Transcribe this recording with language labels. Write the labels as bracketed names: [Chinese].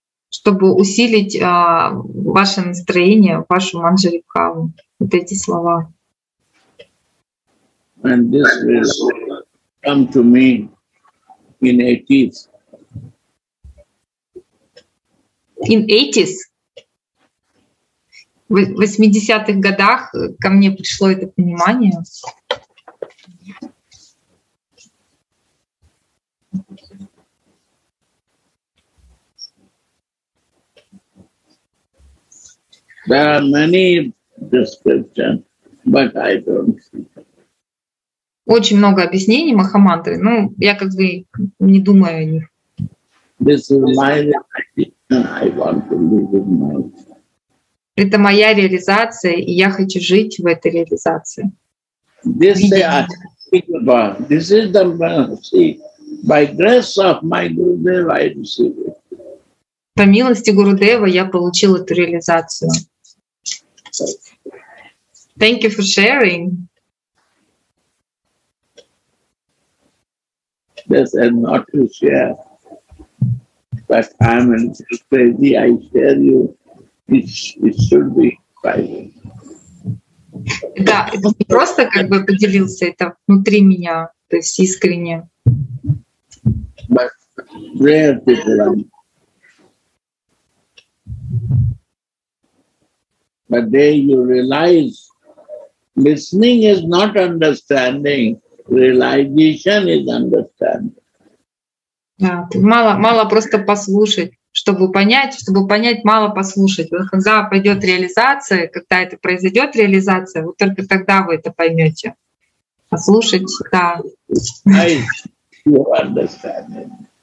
[Russian] Чтобы усилить ваше настроение, вашу Манджари Бхав. Вот эти слова. [English] And this will come to me in 80s. In 80s, [Russian] в 80-х годах ко мне пришло это понимание. [English] There are many descriptions, but I don't see. [Russian] Очень много объяснений Махамантры, но я как бы не думаю о них. [English] This is my idea. I want to live in my. [Russian] Это моя реализация, и я хочу жить в этой реализации. [English] This is unthinkable. This is the mercy. By grace of my Gurudeva, I receive it. [Russian] По милости Гурудева я получил эту реализацию. [English] Thank you for sharing. This is not to share. But I'm a little crazy, I tell you, it should be private. [Russian] Да, это не просто как бы поделился, это внутри меня, то есть искренне. [English] But rare people. But there you realize, listening is not understanding, realization is understanding. [Russian] Да, мало просто послушать, чтобы понять, мало послушать. Вот когда пойдет реализация, когда это произойдет реализация, вот только тогда вы это поймете. Послушать, да. [English] I understand.